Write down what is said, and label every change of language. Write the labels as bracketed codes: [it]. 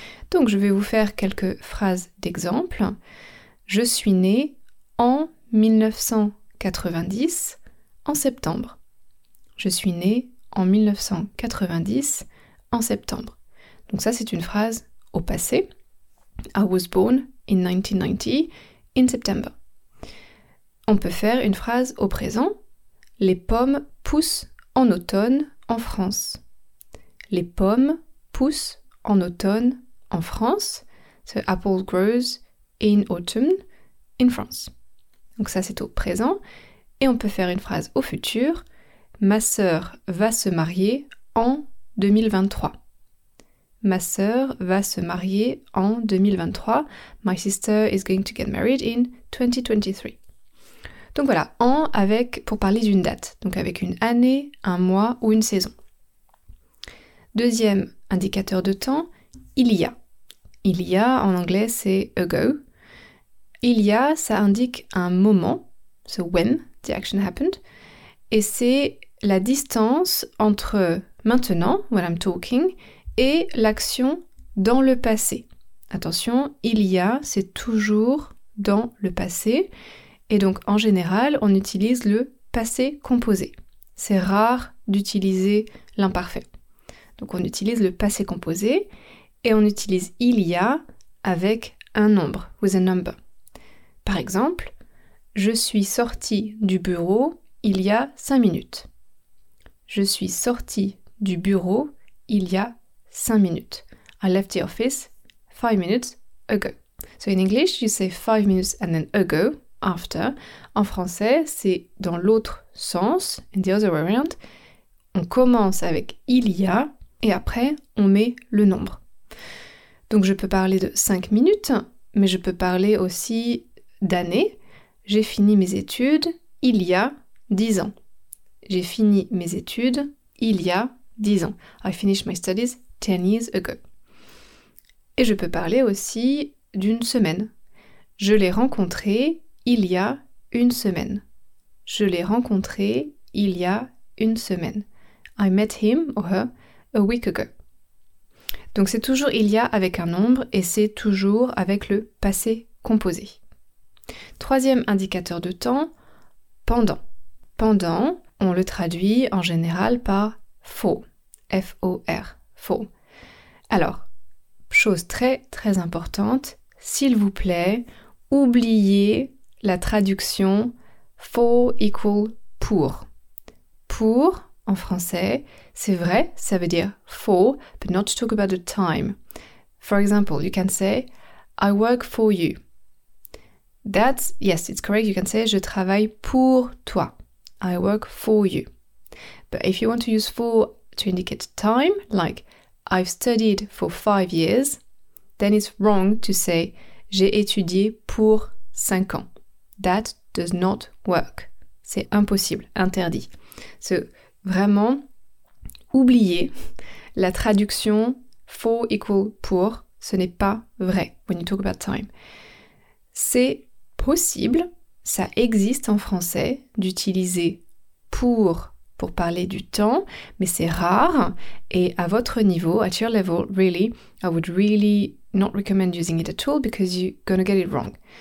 [fr] Donc je vais vous faire quelques phrases d'exemple. Je suis née en 1990, en septembre. Je suis née en 1990, en septembre. Donc ça, c'est une phrase au passé. [en] I was born in 1990, in September. [fr] On peut faire une phrase au présent. Les pommes poussent en automne en France. Les pommes poussent en automne en France. [en] So apple grows in autumn in France. [fr] Donc ça c'est au présent. Et on peut faire une phrase au futur. Ma sœur va se marier en 2023. Ma sœur va se marier en 2023. [en] My sister is going to get married in 2023. [fr] Donc voilà, en avec, pour parler d'une date. Donc avec une année, un mois ou une saison. Deuxième indicateur de temps, il y a. Il y a, en anglais, c'est ago. Il y a, ça indique un moment, [en] so when the action happened, [fr] et c'est la distance entre maintenant, [en] when I'm talking, [fr] et l'action dans le passé. Attention, il y a, c'est toujours dans le passé, et donc en général, on utilise le passé composé. C'est rare d'utiliser l'imparfait. Donc on utilise le passé composé, et on utilise il y a avec un nombre, [en] with a number. [fr] Par exemple, je suis sortie du bureau il y a 5 minutes. Je suis sortie du bureau il y a 5 minutes. [en] I left the office 5 minutes ago. So in English, you say 5 minutes and then ago, after. [fr] En français, c'est dans l'autre sens, [en] in the other way around. [fr] On commence avec il y a et après, on met le nombre. Donc je peux parler de 5 minutes, mais je peux parler aussi d'années. J'ai fini mes études il y a 10 ans. J'ai fini mes études il y a 10 ans. [en] I finished my studies 10 years ago. [fr] Et je peux parler aussi d'une semaine. Je l'ai rencontré il y a une semaine. Je l'ai rencontré il y a une semaine. [en] I met him or her a week ago. [fr] Donc c'est toujours il y a avec un nombre et c'est toujours avec le passé composé. Troisième indicateur de temps, pendant. Pendant, on le traduit en général par for, F-O-R, for. Alors, chose très très importante, s'il vous plaît, oubliez la traduction [en] for equal [fr] pour. Pour, en français, c'est vrai, ça veut dire for, [en] but not to talk about the time. For example, you can say, I work for you. That's, yes, it's correct, you can say, [fr] je travaille pour toi. [en] I work for you. But if you want to use for to indicate time, like I've studied for 5 years, then it's wrong to say [fr] j'ai étudié pour 5 ans. [en] That does not work. [fr] C'est impossible, interdit. So, vraiment, oubliez la traduction [en] for equal [fr] pour, ce n'est pas vrai [en] when you talk about time. [fr] C'est possible, ça existe en français, d'utiliser pour parler du temps, mais c'est rare, et à votre niveau, [en] at your level, really, I would really not recommend using it at all because you're gonna get it wrong.